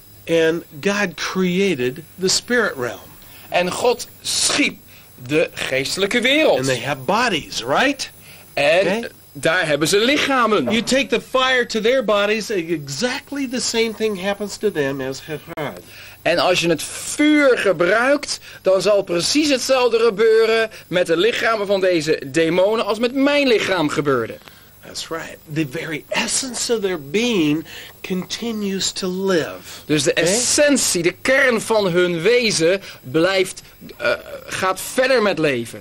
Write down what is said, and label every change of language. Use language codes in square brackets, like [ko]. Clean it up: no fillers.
[en] And God created the spirit realm. [nl] En God schiep de geestelijke wereld. [en] And they have bodies, right? [nl] En daar hebben ze lichamen. [en] You take the fire to their bodies, exactly the same thing happens to them as Gerard. [nl] En als je het vuur gebruikt, dan zal precies hetzelfde gebeuren met de lichamen van deze demonen als met mijn lichaam gebeurde. [en] That's right. The very essence of their being continues to live. [nl] Dus de essentie, de kern van hun wezen blijft gaat verder met leven.